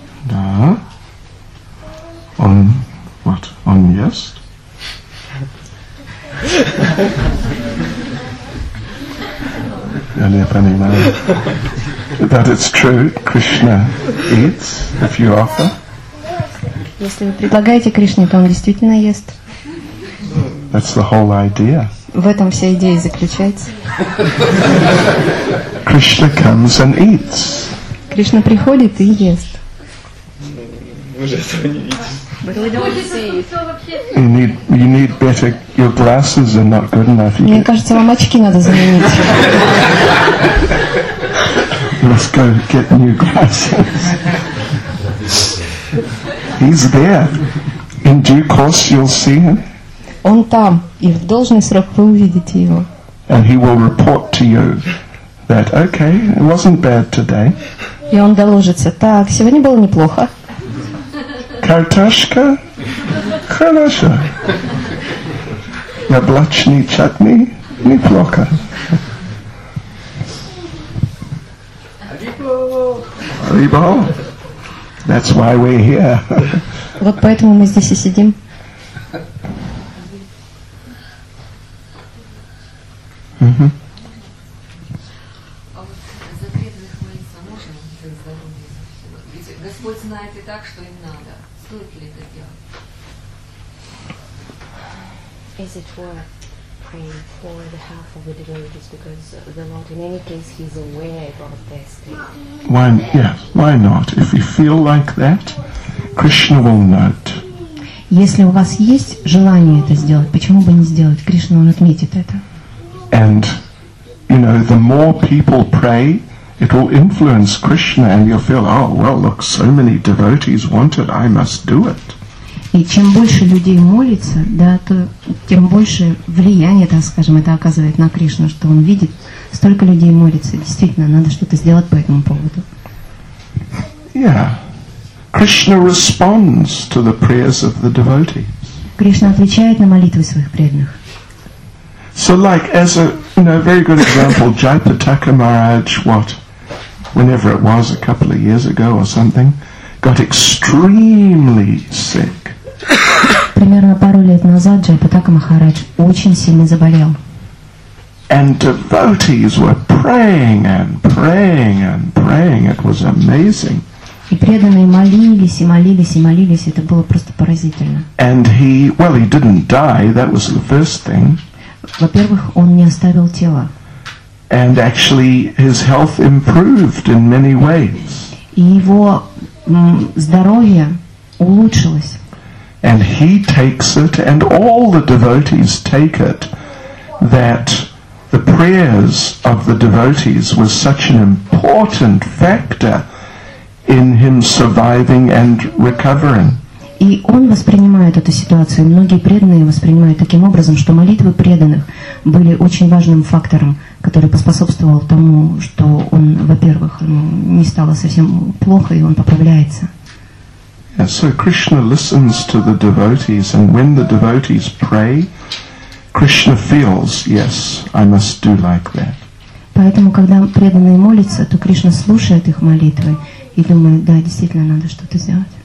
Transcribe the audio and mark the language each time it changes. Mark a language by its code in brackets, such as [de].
[en] No. On what? On yeast? Only a funny man. That it's true, Krishna eats if you offer. [ru] Если вы предлагаете Кришне, то он действительно ест. [en] That's the whole idea. [ru] В этом вся идея заключается. [en] Krishna comes and eats. [ru] Кришна приходит и ест. [en] You need better. Your glasses are not good enough. [ru] Мне кажется, вам очки надо заменить. [en] Let's go get new glasses. He's there. In due course, you'll see him. [ru] Он там, и в должный срок вы увидите его. [en] And he will report to you that okay, it wasn't bad today. [ru] И он доложится: так, сегодня было неплохо. Картошка? Хорошо. Яблочный чатни? Неплохо. [en] Арибо. That's why we're here. [ru] Вот поэтому мы здесь и сидим. [en] Is it worth praying for the health of the devotees because the Lord, in any case, he's aware about their state? Why not? If you feel like that, Krishna will note. [ru] Если у вас есть желание это сделать, почему бы не сделать? Кришна, он отметит это. [en] And you know, the more people pray, it will influence Krishna, and you'll feel, oh well, look, so many devotees want it, I must do it. [ru] И чем больше людей молится, да, то тем больше влияние, так скажем, это оказывает на Кришну, что он видит, столько людей молится, действительно, надо что-то сделать по этому поводу. [en] Yeah, Krishna responds to the prayers of the devotees. [ru] Кришна отвечает на молитвы своих преданных. [en] So, like as a, you know, very good example, Jayaprataka Maharaj, what, whenever it was, a couple of years ago or something, got extremely sick. [ru] Примерно пару лет назад Джайпатака Махарадж очень сильно заболел. [en] And devotees were praying and praying and praying. It was amazing. [ru] И преданные молились и молились и молились. Это было просто поразительно. [en] And he, well, he didn't die. That was the first thing. [ru] Во-первых, он не оставил тела. [en] And actually, his health improved in many ways. [ru] И его здоровье улучшилось. [en] And he takes it, and all the devotees take it, that the prayers of the devotees was such an important factor in him surviving and recovering. [ru] И он воспринимает эту ситуацию, многие преданные воспринимают таким образом, что молитвы преданных были очень важным фактором, который поспособствовал тому, что он, во-первых, не стало совсем плохо, и он поправляется. [en] Yeah, so Krishna listens to the devotees, and when the devotees pray, Krishna feels, yes, I must do like that. [ru] Поэтому, когда преданные молятся, то Кришна слушает их молитвы и думает, да, действительно, надо что-то сделать.